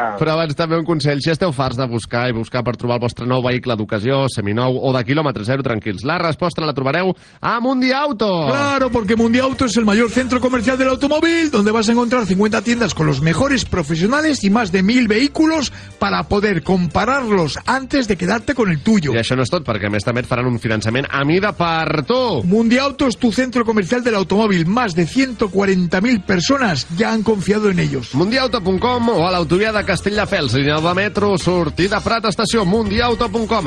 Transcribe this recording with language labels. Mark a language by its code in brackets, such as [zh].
[ca] Però abans també un consell. Si esteu farts de buscar per trobar el vostre nou vehicle d'ocasió, seminou o de quilòmetre zero, tranquils, la resposta la trobareu a Mundiauto. [es] Claro, porque Mundiauto es el mayor centro comercial del automóvil, donde vas a encontrar 50 tiendas con los mejores profesionales y más de 1000 vehículos para poder compararlos antes de quedarte con el tuyo. [ca] I això no és tot, perquè a més també et faran un finançament a mida per tu. [es] Mundiauto es tu centro comercial del automóvil. Más de 140.000 personas ya han confiado en ellos. [ca] Mundiauto.com o a l'autovia de Castelldefels, línia de metro, sortida Prat, estació Mundiauto.com.